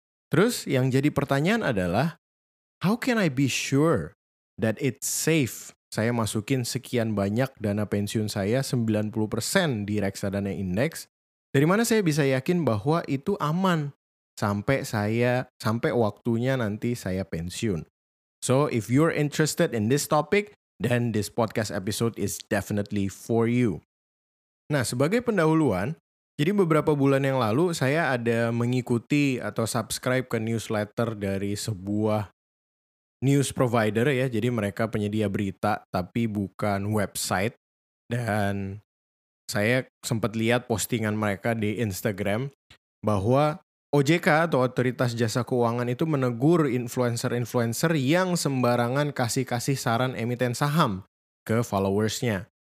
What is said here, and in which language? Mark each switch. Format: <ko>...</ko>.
<id>Terus yang jadi pertanyaan adalah,</id> <en>how can I be sure that it's safe?</en> <id>Saya masukin sekian banyak dana pensiun saya, 90% di reksadana indeks. Dari mana saya bisa yakin bahwa itu aman sampai waktunya nanti saya pensiun?</id> <en>So, if you're interested in this topic, then this podcast episode is definitely for you.</en> <id>Nah, sebagai pendahuluan, jadi beberapa bulan yang lalu saya ada mengikuti atau subscribe ke newsletter dari sebuah news provider ya. Jadi mereka penyedia berita tapi bukan website. Dan saya sempat lihat postingan mereka di Instagram bahwa OJK atau Otoritas Jasa Keuangan itu menegur influencer-influencer yang sembarangan kasih-kasih saran emiten saham ke followersnya.</id>